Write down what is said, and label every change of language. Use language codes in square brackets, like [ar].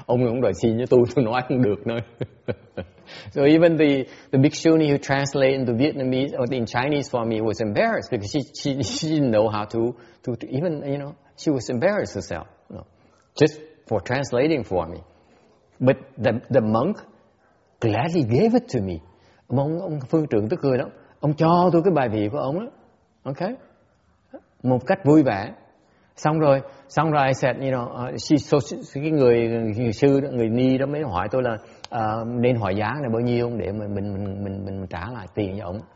[vi] Ông cũng đòi xin cho tôi nói không được nữa. [en] So even the big shuni who translated into Vietnamese or in Chinese for me was embarrassed because she didn't know how to even, you know, she was embarrassed herself, you know, just for translating for me. But the monk gladly gave it to me. [vi] Ông phương trưởng tức cười lắm. Ông cho tôi cái bài vị của ông đó. Okay. Một cách vui vẻ. Xong rồi [en] I said, you know, [vi] người sư, người ni đó mới hỏi tôi là nên hỏi giá là bao nhiêu để mình trả lại tiền cho ông.